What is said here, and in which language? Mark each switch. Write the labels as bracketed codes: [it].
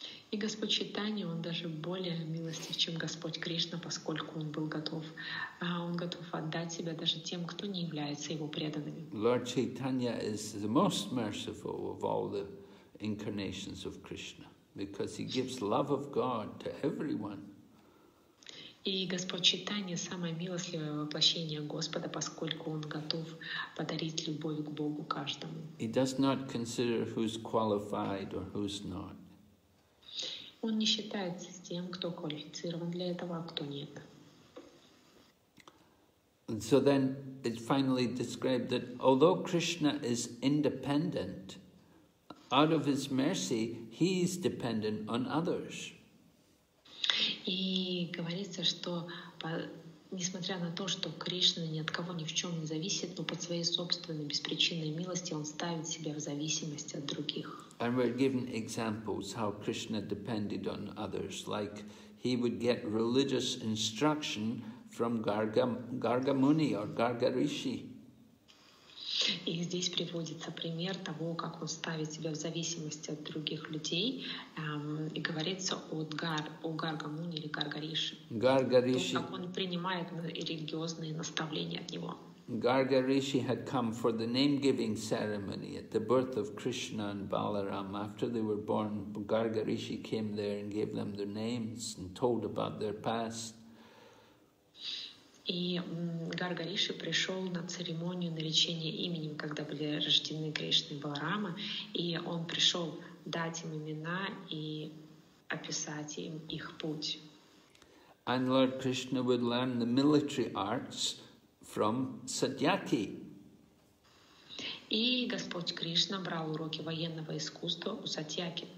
[ru] И Господь Чайтанья, он даже более милостив, чем Господь Кришна, поскольку он был готов, он готов отдать себя даже тем, кто не является его преданными. [en] Lord Chaitanya is the most merciful of all the incarnations of Krishna, because he gives love of God to everyone. [ru] И Господь Чайтанья самое милостивое воплощение Господа, поскольку он готов подарить любовь к Богу каждому. [en] He does not consider who's qualified or who's not. [ru] Он не считается с тем, кто квалифицирован для этого, а кто нет. [en] And so then it's finally described that although Krishna is independent, out of his mercy, he is dependent on others. [ru] И говорится, что несмотря на то, что Кришна ни от кого ни в чем не зависит, но под своей собственной беспричинной милости он ставит себя в зависимость от других. [en] And we're given examples how Krishna depended on others, like he would get religious instruction from Garga Muni or Garga Rishi. [ru] И здесь приводится пример того, как он ставит себя в зависимости от других людей, и говорится о Гарга Муни или Гарга Риши. Гарга Риши. То, как он принимает религиозные наставления от него. [en] Гарга Риши had come for the name-giving ceremony at the birth of Krishna and Balaram. After they were born, Гарга Риши came there and gave them their names and told about their past. [ru] И Гарга Риши пришел на церемонию наречения именем, когда были рождены Кришна и Баларама, и он пришел дать им имена и описать им их путь. [en] And Lord Krishna would learn the military arts from Satyaki. [ru] И Господь Кришна брал уроки военного искусства у Сатьяки.